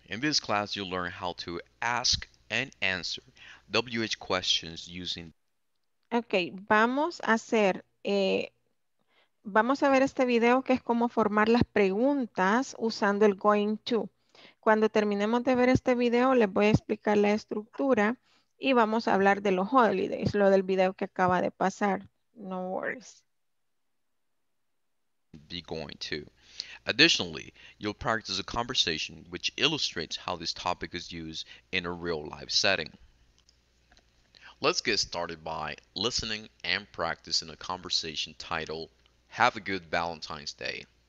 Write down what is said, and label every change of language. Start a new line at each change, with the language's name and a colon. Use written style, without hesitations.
English: In this class, you'll learn how to ask and answer WH questions using.
Spanish: Okay, vamos a hacer. Vamos a ver este video que es cómo formar las preguntas usando el going to. Cuando terminemos de ver este video, les voy a explicar la estructura. Y vamos a hablar de los holidays, lo del video que acaba de pasar.
English: No worries. Be going to. Additionally, you'll practice a conversation which illustrates how this topic is used in a real life setting. Let's get started by listening and practicing a conversation titled, Have a Good Valentine's Day.